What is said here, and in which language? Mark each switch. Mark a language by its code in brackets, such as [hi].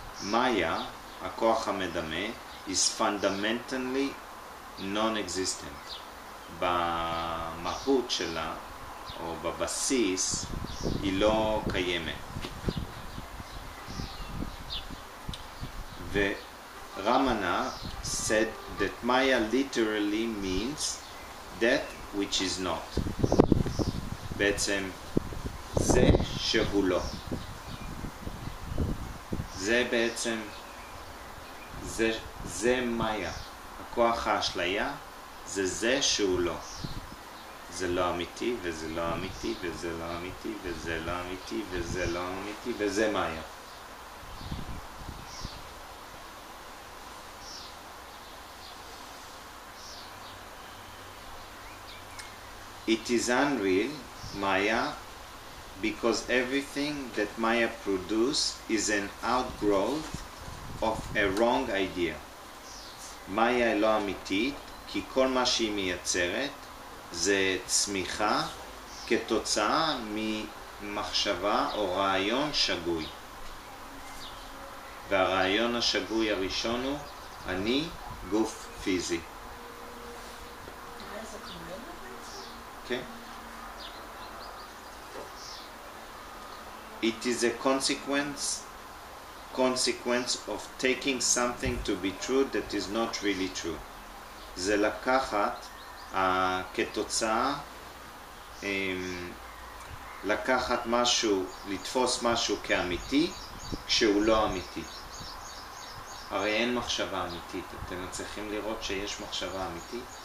[en] Maya, [he] הכוח המדמה, [en] is fundamentally non-existent. [he] במהות שלה, או בבסיס, היא לא קיימת. [en] ורמנה said that Maya literally means that which is not. [he] בעצם, זה שהוא לא. זה בעצם, זה מאיה. הכוח האשליה זה זה שהוא לא. זה לא אמיתי, וזה לא אמיתי, וזה לא אמיתי, וזה לא אמיתי, וזה לא אמיתי, וזה מאיה. [en] It is unreal, Maya, because everything that Maya produces is an outgrowth of a wrong idea. [he] Maya לא אמיתית, כי כל מה שהיא מייצרת זה צמיחה כתוצאה ממחשבה או רעיון שגוי. והרעיון השגוי הראשון הוא, אני גוף פיזי. [en] It is a consequence of taking something to be true that is not really true. [he] זה לקחת כתוצאה לקחת משהו, לתפוס משהו כאמיתי כשהוא לא אמיתי. הרי אין מחשבה אמיתית. אתם צריכים לראות שיש מחשבה אמיתית.